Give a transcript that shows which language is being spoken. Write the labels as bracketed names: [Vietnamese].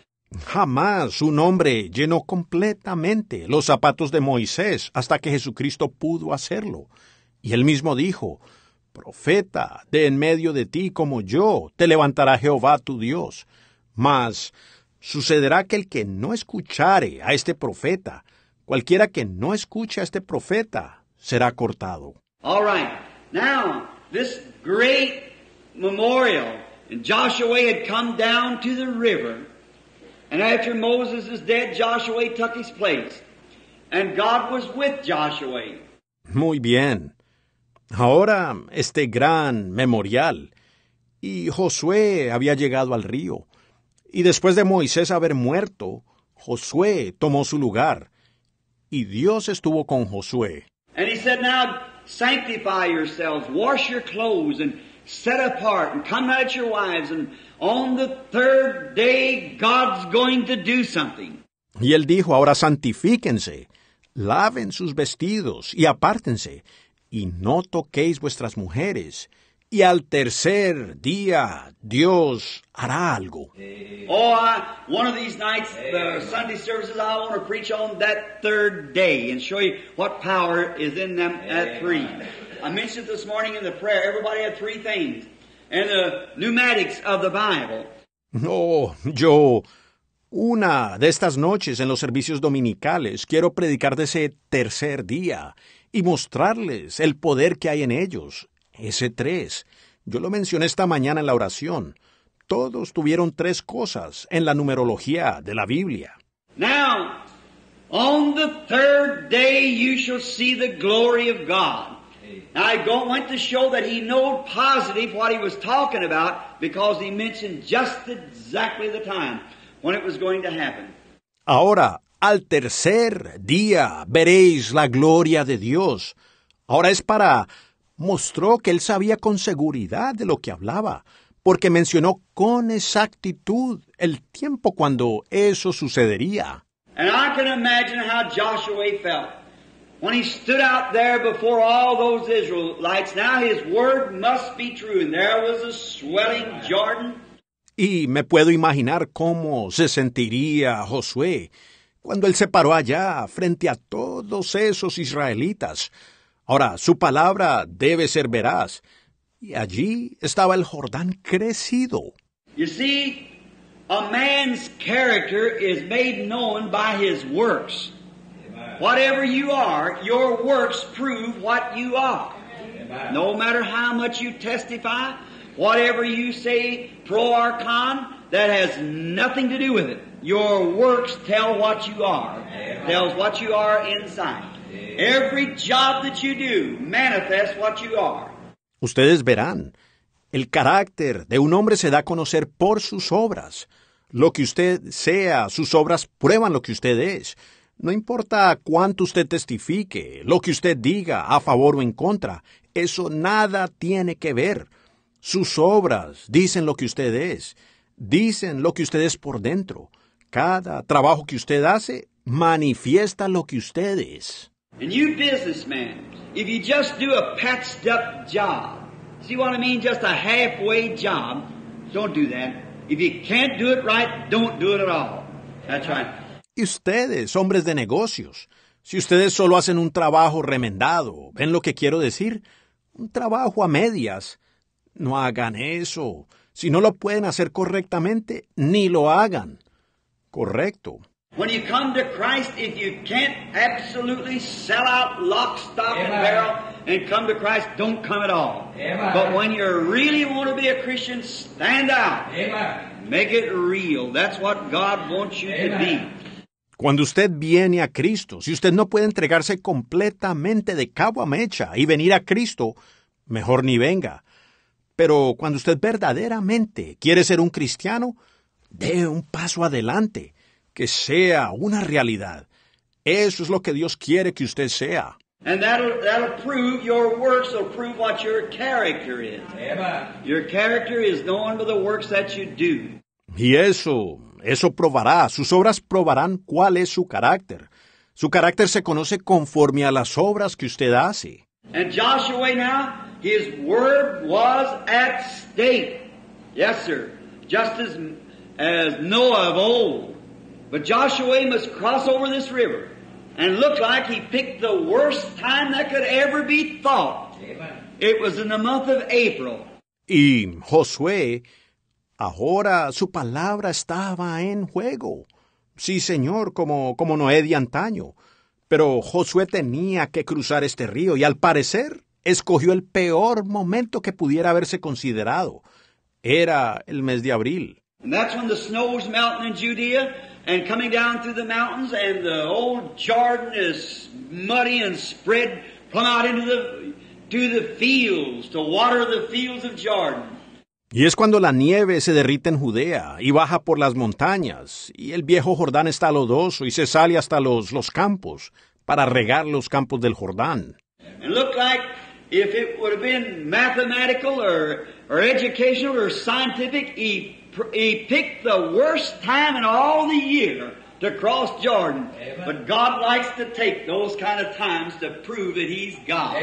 [Spanish] Jamás un hombre llenó completamente los zapatos de Moisés hasta que Jesucristo pudo hacerlo. Y él mismo dijo, profeta, de en medio de ti como yo, te levantará Jehová tu Dios. Mas sucederá que el que no escuchare a este profeta, cualquiera que no escuche a este profeta, será cortado. [English] All right. Now, this great memorial, and Joshua had come down to the river, and after Moses is dead, Joshua took his place, and God was with Joshua. [Spanish] Muy bien. Ahora, este gran memorial, y Josué había llegado al río, y después de Moisés haber muerto, Josué tomó su lugar, y Dios estuvo con Josué. [English] And he said, now sanctify yourselves, wash your clothes, and set apart, and come out your wives, and on the third day God's going to do something. [Spanish] Y él dijo, ahora santifíquense, laven sus vestidos, y apártense, y no toquéis vuestras mujeres, y al tercer día Dios hará algo. [English] Oh, one of these nights, the Sunday services, I want to preach on that third day and show you what power is in them at three. I mentioned this morning in the prayer, everybody had three things, and the pneumatics of the Bible. [Spanish] Oh, yo, una de estas noches en los servicios dominicales, quiero predicar de ese tercer día y mostrarles el poder que hay en ellos. Ese tres. Yo lo mencioné esta mañana en la oración. Todos tuvieron tres cosas en la numerología de la Biblia. [English] Now, on the third day you shall see the glory of God. Now, I went to show that he knew positive what he was talking about because he mentioned just exactly the time when it was going to happen. [Spanish] Ahora, al tercer día veréis la gloria de Dios. Ahora es para mostró que él sabía con seguridad de lo que hablaba, porque mencionó con exactitud el tiempo cuando eso sucedería. [English] And I can imagine how Joshua felt when he stood out there before all those Israelites. Now his word must be true, and there was a swelling Jordan. [Spanish] Y me puedo imaginar cómo se sentiría Josué cuando él se paró allá frente a todos esos israelitas. Ahora, su palabra debe ser veraz. Y allí estaba el Jordán crecido. [English] You see, a man's character is made known by his works. Whatever you are, your works prove what you are. No matter how much you testify, whatever you say, pro or con, that has nothing to do with it. Your works tell what you are. Tells what you are inside. Every job that you do manifests what you are. [Spanish] Ustedes verán, el carácter de un hombre se da a conocer por sus obras. Lo que usted sea, sus obras prueban lo que usted es. No importa cuánto usted testifique, lo que usted diga a favor o en contra, eso nada tiene que ver. Sus obras dicen lo que usted es, dicen lo que usted es por dentro. Cada trabajo que usted hace manifiesta lo que usted es. [English] And you businessmen, if you just do a patched up job, see what I mean? Just a halfway job, don't do that. If you can't do it right, don't do it at all. That's right. [Spanish] Y ustedes, hombres de negocios, si ustedes solo hacen un trabajo remendado, ¿ven lo que quiero decir? Un trabajo a medias. No hagan eso. Si no lo pueden hacer correctamente, ni lo hagan. Correcto. [English] When you come to Christ, if you can't absolutely sell out lock, stock, and barrel and come to Christ, don't come at all. Amen. But when you really want to be a Christian, stand out. Amen. Make it real. That's what God wants you Amen. To be. [Spanish] Cuando usted viene a Cristo, si usted no puede entregarse completamente de cabo a mecha y venir a Cristo, mejor ni venga. Pero cuando usted verdaderamente quiere ser un cristiano, dé un paso adelante. Que sea una realidad. Eso es lo que Dios quiere que usted sea. [English] And that'll prove your works will prove what your character is. Amen. Your character is known by the works that you do. [Spanish] Y eso probará. Sus obras probarán cuál es su carácter. Su carácter se conoce conforme a las obras que usted hace. [English] And Joshua now, his word was at stake. Yes, sir. Just as Noah of old. But Joshua must cross over this river, and look like he picked the worst time that could ever be thought. Amen. It was in the month of April. [Spanish] Y Josué, ahora su palabra estaba en juego. Sí, señor, como Noé de antaño. Pero Josué tenía que cruzar este río, y al parecer, escogió el peor momento que pudiera haberse considerado. Era el mes de abril. [English] And that's when the snow was melting in Judea, and coming down through the mountains, and the old Jordan is muddy and spread from out into the fields, to water the fields of Jordan. [Spanish] Y es cuando la nieve se derrite en Judea, y baja por las montañas, y el viejo Jordán está lodoso, y se sale hasta los campos, para regar los campos del Jordán. [English] And look like if it would have been mathematical, or educational, or scientific, He picked the worst time in all the year to cross Jordan. Amen. But God likes to take those kind of times to prove that He's God.